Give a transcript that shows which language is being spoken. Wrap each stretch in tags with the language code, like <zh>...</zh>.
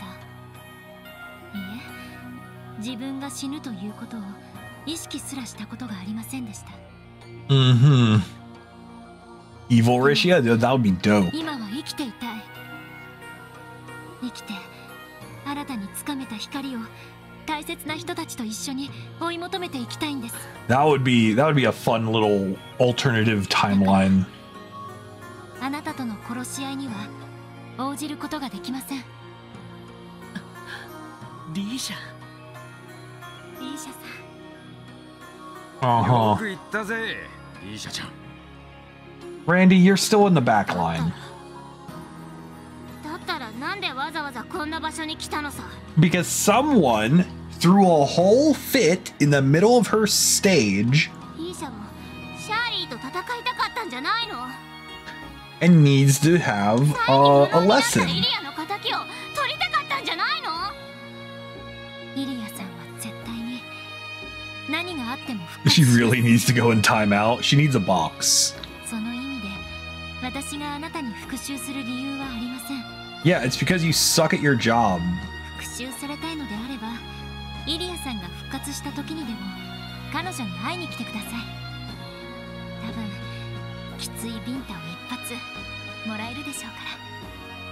<ja>いえ、自分が死ぬということを意識すらしたことがありませんでした。</ja> <en>Evil Rishia? That would be dope.</en> <ja>今は生きていたい。生きて、新たに掴めた光を大切な人たちと一緒に追い求めていきたいんです。</ja> <en>That would be a fun little alternative timeline.</en> <ja>あなたとの殺し合いには応じることができません。リーシャ。リーシャさん。 Uh-huh. よく言ったぜ、リーシャちゃん。</ja> <en>Randy, you're still in the back line.</en> <ja>だったらなんでわざわざこんな場所に来たのさ。</ja> <en>Because someone threw a whole fit in the middle of her stage.</en> <ja>リーシャもシャーリーと戦いたかったんじゃないの。</ja> <en>And needs to have a lesson.</en> <ja>イリアの敵を取りたかったんじゃないの。イリアさんは絶対に何があっても復活。</ja> <en>She really needs to go in time out. She needs a box.</en> <ja>その意味で私があなたに復讐する理由はありません。</ja> <en>Yeah, it's because you suck at your job.</en> <ja>復讐されたいのであれば、イリアさんが復活した時にでも彼女に会いに来てください。多分きついビンタを一発もらえるでしょうから。</ja>